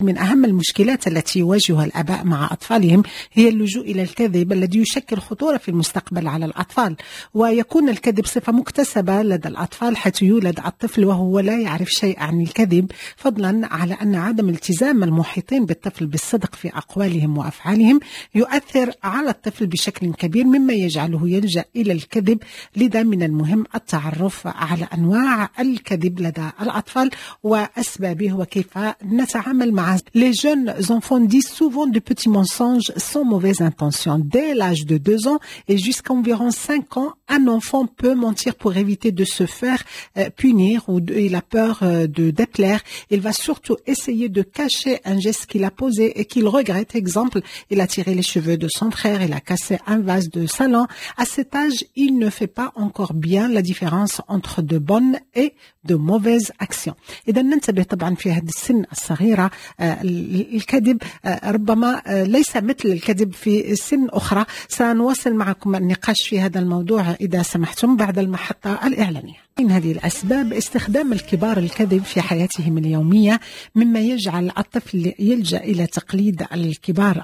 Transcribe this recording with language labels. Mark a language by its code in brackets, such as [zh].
[ar] من أهم المشكلات التي يواجهها الأباء مع أطفالهم هي اللجوء إلى الكذب الذي يشكل خطورة في المستقبل على الأطفال، ويكون الكذب صفة مكتسبة لدى الأطفال حتى يولد الطفل وهو لا يعرف شيء عن الكذب، فضلا على أن عدم التزام المحيطين بالطفل بالصدق في أقوالهم وأفعالهم يؤثر على الطفل بشكل كبير مما يجعله يلجأ إلى الكذب. لذا من المهم التعرف على أنواع الكذب لدى الأطفال وأسبابه وكيف نتعامل. [fr] Les jeunes enfants disent souvent de petits mensonges sans mauvaise intention. Dès l'âge de 2 ans et jusqu'à environ 5 ans, un enfant peut mentir pour éviter de se faire punir ou il a peur de déplaire. Il va surtout essayer de cacher un geste qu'il a posé et qu'il regrette. Exemple, il a tiré les cheveux de son frère, il a cassé un vase de salon. À cet âge, il ne fait pas encore bien la différence entre de bonnes et de mauvaises actions. Et donc, nous sommes bien sûr dans cette scène assarira. [ar] الكذب ربما ليس مثل الكذب في سن أخرى. سنواصل معكم النقاش في هذا الموضوع إذا سمحتم بعد المحطة الإعلانية. من هذه الأسباب استخدام الكبار الكذب في حياتهم اليومية مما يجعل الطفل يلجأ إلى تقليد الكبار.